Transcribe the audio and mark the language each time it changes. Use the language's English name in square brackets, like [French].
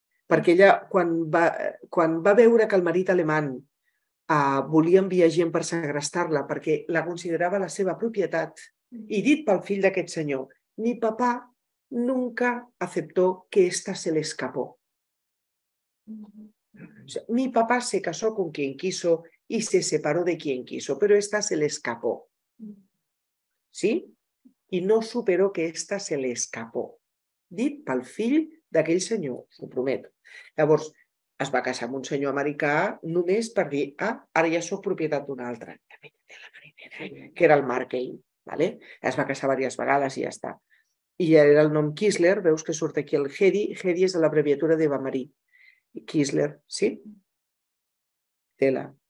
[Catalan] Perquè ella, quan va veure que el marit alemany volia enviar gent per segrestar-la, perquè la considerava la seva propietat, i dit pel fill d'aquest senyor, [Spanish] mi papà nunca aceptó que esta se le escapó. O sea, mi papà se casó con quien quiso y se separó de quien quiso, pero esta se le escapó. Sí? I no superó que esta se le escapó. [Catalan] Dit pel fill d'aquell senyor, s'ho prometo. Llavors, es va casar amb un senyor americà només per dir, ah, ara ja sóc propietat d'un altre. Que era el Markey. ¿Vale? Es va casar diverses vegades i ja està. I ja era el nom Kiesler, veus que surt aquí el Hedy. Hedy és l'abreviatura d'Eva Marie. Kiesler, sí? Tela.